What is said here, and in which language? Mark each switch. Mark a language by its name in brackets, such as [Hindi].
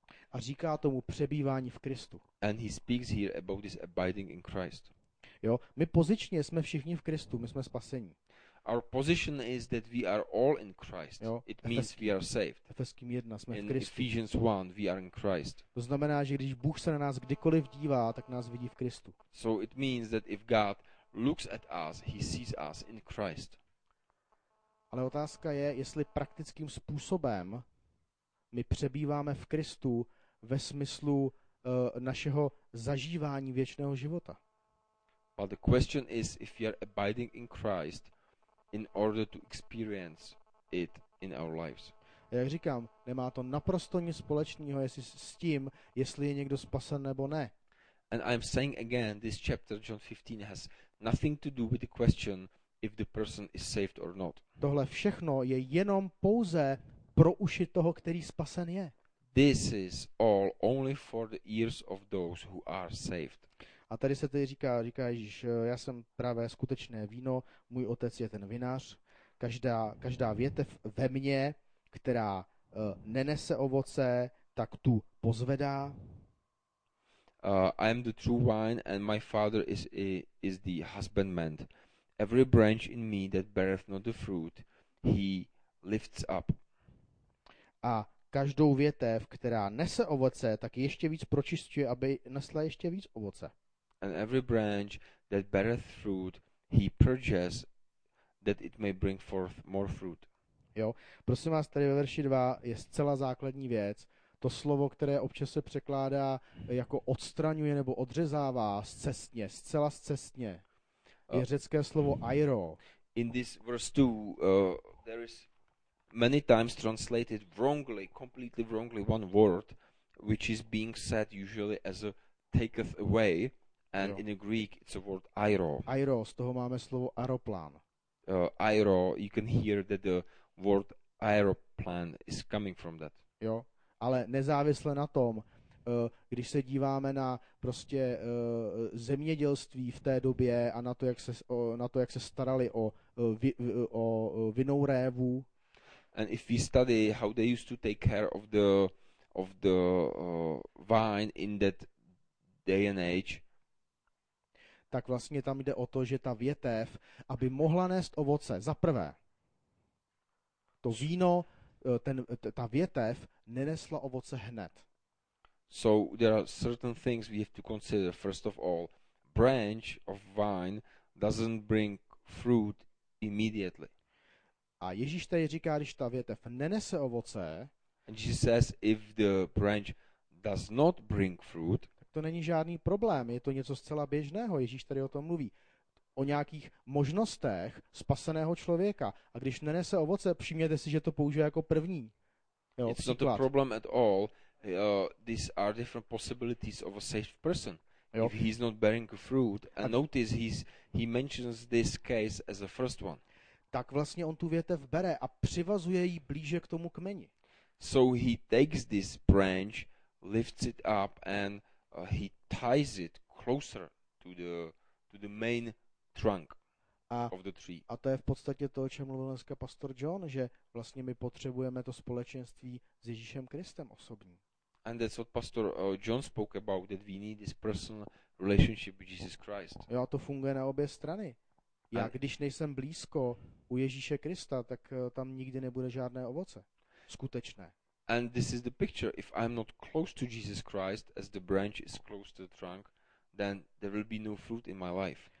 [Czech] A říká tomu přebývání v Kristu. [English] And he speaks here about this abiding in Christ. [Czech] Jo, my pozičně jsme všichni v Kristu, my jsme spasení. [English] Our position is that we are all in Christ. Jo, it means we are saved. [Czech] Efeským 1 jsme [English] in [Czech] v Kristu. [English] Ephesians 1 we are in Christ. [Czech] To znamená, že když Bůh se na nás kdykoliv dívá, tak nás vidí v Kristu. [English] So it means that if God looks at us, he sees us in Christ. [Czech] Ale otázka je, jestli praktickým způsobem my přebýváme v Kristu ve smyslu našeho zažívání věčného života. [English] But the question is if we are abiding in Christ in order to experience it in our lives. [Czech] Jak říkám, nemá to naprosto nic společného s tím, jestli je někdo spasen nebo ne. [English] And I'm saying again, this chapter John 15 has nothing to do with the question if the person is saved or not. [Czech] Tohle všechno je jenom pouze pro uši toho, který spasen je. [English] This is all only for the ears of those who are saved. [Czech] A tady se tady říká Ježíš, já jsem právě skutečné víno, můj otec je ten vinař. Každá větev ve mně, která nenese ovoce, tak tu pozvedá. [English] I am the true vine and my father is the husbandman. Every branch in me that beareth not the fruit, he lifts up. [Czech] A každou větev, která nese ovoce, tak ještě víc pročistuje, aby nesla ještě víc ovoce. [English] And every branch that beareth fruit, he purges, that it may bring forth more fruit. [Czech] Jo, prosím vás, tady ve verši 2 je zcela základní věc. To slovo, které občas se překládá jako odstraňuje nebo odřezává zcestně, zcela zcestně, je řecké slovo airo. [English] In this verse 2, there is many times translated wrongly, completely wrongly, one word, which is being said usually as a taketh away, and jo. In the Greek it's a word airo. [Czech] Airo, z toho máme slovo aeroplán. [English] Airo, you can hear that the word aeroplan is coming from that. [Czech] Jo, ale nezávisle na tom, když se díváme na prostě zemědělství v té době a na to, jak se starali o vinnou révu. [English] And if we study how they used to take care of the vine in that day and age. [Czech] Tak vlastně tam jde o to, že ta větev, aby mohla nést ovoce, za prvé, to víno, ta větev nenesla ovoce hned. [English] So there are certain things we have to consider. First of all, branch of vine doesn't bring fruit immediately. [Czech] A Ježíš tady říká, když ta větev nenese ovoce, [English] and Jesus says if the branch does not bring fruit, [Czech] to není žádný problém, je to něco zcela běžného. Ježíš tady o tom mluví. O nějakých možnostech spaseného člověka. A když nenese ovoce, přijměte si, že to použije jako první. Jo, [English] it's not a problem at all. These are different possibilities of a saved person. Jo. If he's not bearing fruit, and notice he mentions this case as the first one. [Czech] Tak vlastně on tu větev bere a přivazuje ji blíže k tomu kmeni. [English] So he takes this branch, lifts it up and he ties it closer to the main trunk of the tree. [Czech] A to je v podstatě to, o čem mluvil dneska pastor John, že vlastně my potřebujeme to společenství s Ježíšem Kristem osobní. [English] And that's what pastor John spoke about, that we need this personal relationship with Jesus Christ. [Czech] Jo, a to funguje na obě strany. Já, když nejsem blízko u Ježíše Krista, tak tam nikdy nebude žádné ovoce. Skutečné. [English] And this is the picture. If I'm not close to Jesus Christ, as the branch is close to the trunk, then there will be no fruit in my life.